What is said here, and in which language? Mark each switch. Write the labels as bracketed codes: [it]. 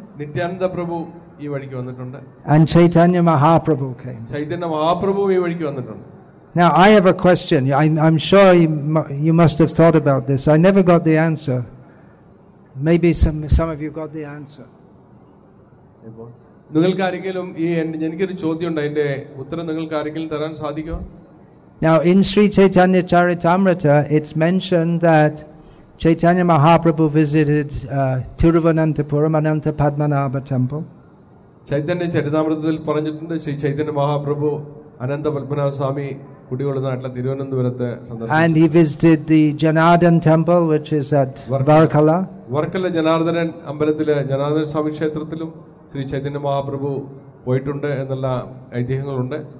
[ml] Nityananda Prabhu ee valiki vandittund. [en] And Chaitanya Mahaprabhu came. [ml] Chaitanya Mahaprabhu ee valiki vandittund. [en] Now I have a question. I'm sure you must have thought about this. I never got the answer. Maybe some of you got the answer. [ml] നിങ്ങൾക്ക് ആരെങ്കിലും ഈ എനിക്ക് ഒരു ചോദ്യമുണ്ട്. അതിന്റെ ഉത്തരം നിങ്ങൾക്ക് ആരെങ്കിലും തരാൻ സാധിക്കോ? [en] Now in Sri Chaitanya Charitamrita it's mentioned that Chaitanya Mahaprabhu visited Tiruvananthapuram Ananta Padmanabha temple. [ml] Chaitanya ചരിതാമൃതത്തിൽ പറഞ്ഞിട്ടുണ്ട് ശ്രീ ചൈതന്യ മഹാപ്രഭു അനന്ത പത്മനാഭ സ്വാമി കുടികൊള്ളുന്നതായിട്ട് തിരുവനന്തപുരത്ത് [en] And he visited the Janardan temple which is at Varkala. [ml] Varkala Janardhanan അമ്പലത്തിലെ ജനാർദ്ദന സ്വാമി ക്ഷേത്രത്തിലും ശ്രീ ചൈതന്യ മഹാപ്രഭു പോയിട്ടുണ്ട് എന്നുള്ള ഐതിഹ്യങ്ങളുണ്ട്